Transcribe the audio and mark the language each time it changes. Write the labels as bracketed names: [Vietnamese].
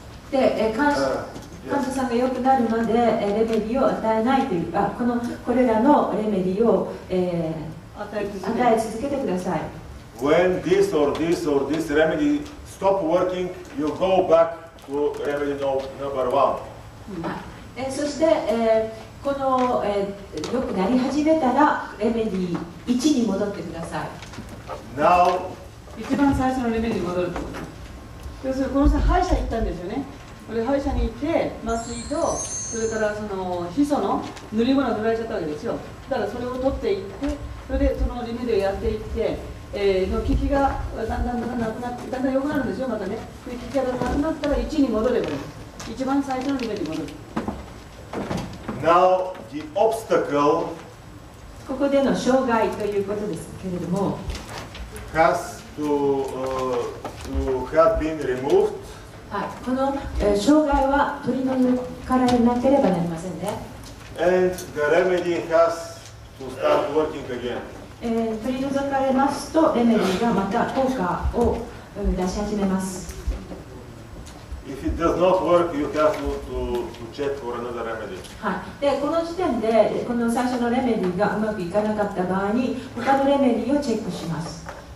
[Japanese] で、患者さんが良くなるまでレメディを与えないという、これらのレメディを、与え続けてください。 [English] When this or this or this remedy stop working, you go back to remedy number one. [Japanese] そして、この、良くなり始めたらレメディ1に戻ってください。 [English] Now, [Japanese] 一番最初のレベルに戻る。要するにこの人歯医者行ったんですよね。これ歯医者に行って麻酔とそれからそのヒ素の塗り物を取られちゃったわけですよ。だからそれを取っていって、それでそのレベルをやっていって、の効きがだんだんだんだんなくなって、だんだん良くなるんですよ。またね、効きがだんだんなくなったら1に戻れば、一番最初のレベルに戻る。 [English] Now the obstacle、 [Japanese] ここでの障害ということですけれども、 [English] To have been removed. [Japanese] はい、この、障害は取り除かれなければなりませんね。 [English] And the remedy has to start working again. [Japanese] 取り除かれますとレメディがまた効果を、出し始めます。 [English] If it does not work, you have to check for another remedy. [Japanese] はい、でこの時点でこの最初のレメディがうまくいかなかった場合に他のレメディをチェックします。